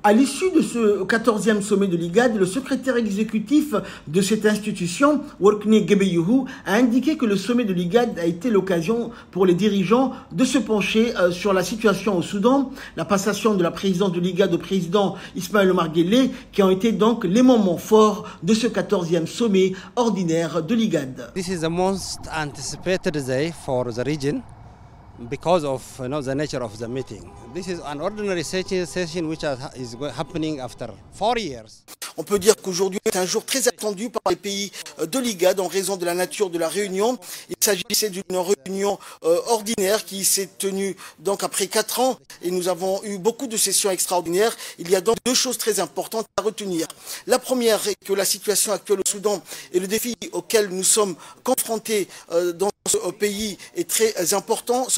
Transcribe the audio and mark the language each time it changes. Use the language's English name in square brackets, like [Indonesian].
[French] À l'issue de ce 14e sommet de l'IGAD, le secrétaire exécutif de cette institution, Workne Gebeyuhu, a indiqué que le sommet de l'IGAD a été l'occasion pour les dirigeants de se pencher sur la situation au Soudan. La passation de la présidence de l'IGAD au président Ismaël Omar Guelleh, qui ont été donc les moments forts de ce 14e sommet ordinaire de l'IGAD. [English] This is the most anticipated day for the region because of the nature of the meeting. This is an ordinary session which is happening after 4 years. [French] On peut dire qu'aujourd'hui est un jour très attendu par les pays de l'IGAD en raison de la nature de la réunion. Il s'agissait d'une réunion ordinaire qui s'est tenue donc après 4 ans et nous avons eu beaucoup de sessions extraordinaires. Il y a donc deux choses très importantes à retenir. La première est que la situation actuelle au Soudan et le défi auquel nous sommes confrontés dans ce pays est très important.